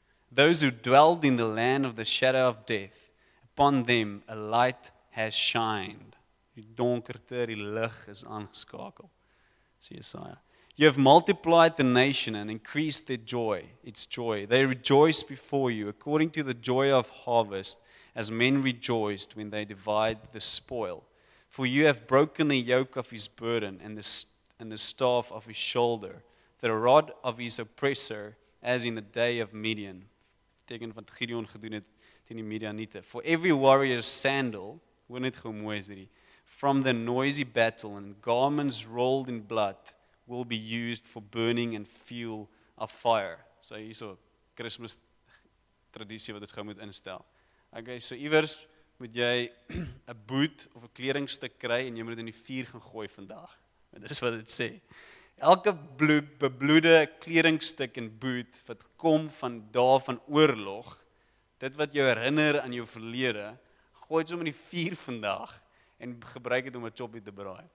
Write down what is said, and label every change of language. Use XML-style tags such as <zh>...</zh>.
<en>Those who dwelled in the land of the shadow of death, upon them a light has shined.</en> <af>Die donkerte, die lig is aangeskakel. So Jesaja.</af> <en>You have multiplied the nation and increased their joy, its joy. They rejoice before you according to the joy of harvest, as men rejoiced when they divide the spoil. For you have broken the yoke of his burden and the staff of his shoulder, the rod of his oppressor, as in the day of Midian.</en> <af>Teken wat Gideon gedoen het teen die Midianiete.</af> <en>For every warrior's sandal,</en> <af>hoe net gou mooi is hierdie,</af> <en>from the noisy battle and garments rolled in blood will be used for burning and fuel of fire.</en> <af>So hier is 'n Kersfees tradisie wat dit gou moet instel. Okay, so iewers moet jy 'n boot of 'n kledingstuk kry en jy moet dit in die vuur gaan gooi vandag. En dis wat dit sê. Elke bebloede kledingstuk en boot wat kom van dae van oorlog, dit wat jou herinner aan jou verlede, gooi dit om in die vuur vandag en gebruik dit om 'n choppie te braai.</af>